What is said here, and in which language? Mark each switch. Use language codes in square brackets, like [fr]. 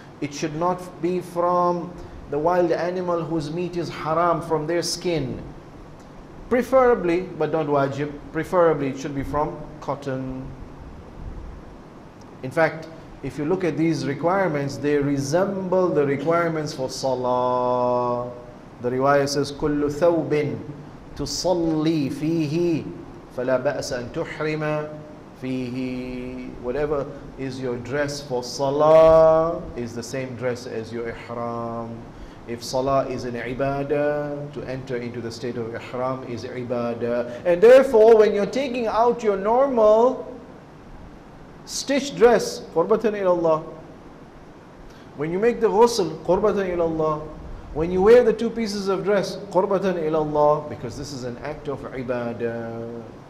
[en] It should not be from the wild animal whose meat is haram, from their skin. Preferably, but not wajib, preferably it should be from cotton. In fact, if you look at these requirements, they resemble the requirements for salah. The riwayah says, [ar] كُلُّ ثَوْبٍ تُصَلِّي فِيهِ فَلَا بَأْسَ أَن تُحْرِمَ فِيهِ. [en] Whatever is your dress for salah is the same dress as your ihram. If salah is an ibadah, to enter into the state of ihram is ibadah. And therefore, when you're taking out your normal stitched dress, [ar] qurbatan ilallah, [en] when you make the ghusl, qurbatan ilallah, when you wear the two pieces of dress, qurbatan ilallah, because this is an act of ibadah.